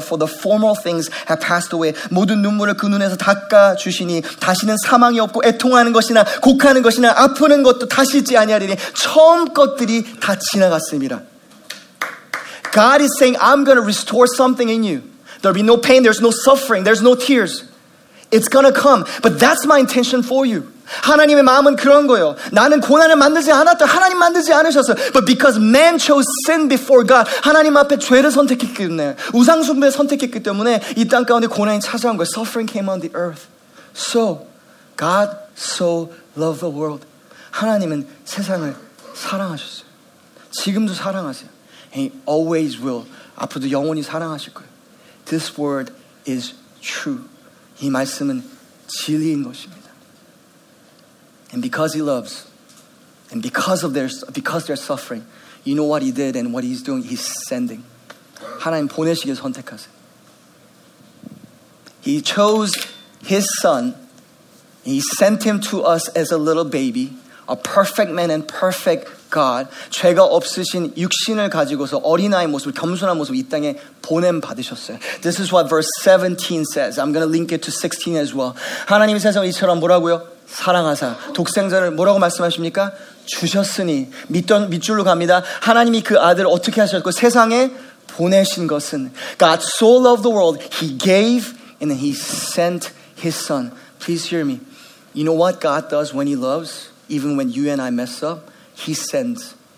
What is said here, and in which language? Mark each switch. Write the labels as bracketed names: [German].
[English] For the former things have passed away. [Korean] 모든 눈물을 그 눈에서 닦아주시니 다시는 사망이 없고 애통하는 것이나 곡하는 것이나 아프는 것도 다시 있지 아니하리니 처음 것들이 다 지나갔습니다. [English] God is saying, I'm going to restore something in you. There'll be no pain, there's no suffering, there's no tears. It's going to come. But that's my intention for you. [Korean] 하나님의 마음은 그런 거예요. 나는 고난을 만들지 않았다. 하나님 만들지 않으셨어. [English] But because man chose sin before God, [Korean] 하나님 앞에 죄를 선택했기 때문에, 우상 숭배를 선택했기 때문에 이 땅 가운데 고난이 찾아온 거예요. [English] Suffering came on the earth. So, God so loved the world. [Korean] 하나님은 세상을 사랑하셨어요. 지금도 사랑하세요. [English] He always will. [Korean] 앞으로도 영원히 사랑하실 거예요. [English] This word is true. [Korean] 이 말씀은 진리인 것입니다. [English] And because he loves, and because they're suffering, you know what he did and what he's doing? He's sending. [Korean] 하나님 보내시길 선택하세요. [English] He chose his son. And he sent him to us as a little baby, a perfect man and perfect God, [Korean] 죄가 없으신 육신을 가지고서 어린아이 모습, 겸손한 모습 이 땅에 보냄 받으셨어요. [English] This is what verse 17 says. I'm going to link it to 16 as well. [Korean] 하나님이 세상을 이처럼 뭐라고요? 사랑하사 독생자를 뭐라고 말씀하십니까? 주셨으니 밑줄로 갑니다. 하나님이 그 아들을 어떻게 하셨고 세상에 보내신 것은 [English] God so loved the world. He gave and then he sent his son. Please hear me. You know what God does when he loves? Even when you and I mess up, he sends.